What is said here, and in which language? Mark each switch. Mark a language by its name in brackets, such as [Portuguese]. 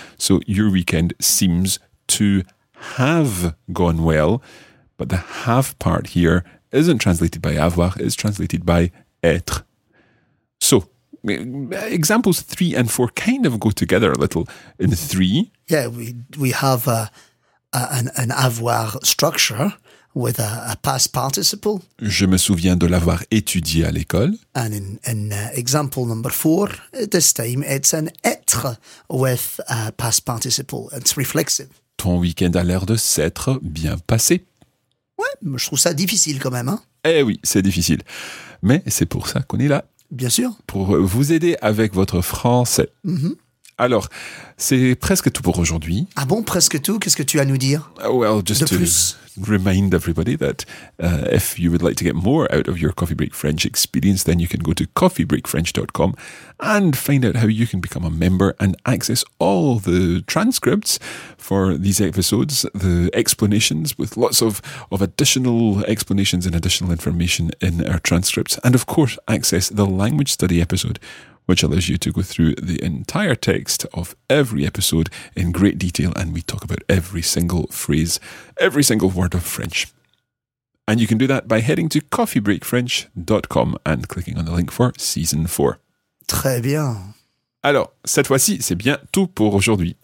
[English] So, your weekend seems to have gone well, but the have part here isn't translated by avoir, it's translated by être. So, examples 3 and 4 kind of go together a little. In 3... Yeah, we have an avoir structure with a past participle. [French] Je me souviens de l'avoir étudié à l'école. [English] And in example number 4, this time it's an être with a past participle. It's reflexive. [French] Ton week-end a l'air de s'être bien passé. Ouais, je trouve ça difficile quand même. Hein? Eh oui, c'est difficile. Mais c'est pour ça qu'on est là. Bien sûr. Pour vous aider avec votre français. Mm-hmm. Alors, c'est presque tout pour aujourd'hui. Ah bon, presque tout? Qu'est-ce que tu as à nous dire? [English] Well, just to remind everybody that if you would like to get more out of your Coffee Break French experience, then you can go to coffeebreakfrench.com and find out how you can become a member and access all the transcripts for these episodes, the explanations with lots of additional explanations and additional information in our transcripts. And of course, access the language study episode, which allows you to go through the entire text of every episode in great detail, and we talk about every single phrase, every single word of French. And you can do that by heading to coffeebreakfrench.com and clicking on the link for season 4. [French] Très bien. Alors, cette fois-ci, c'est bien tout pour aujourd'hui.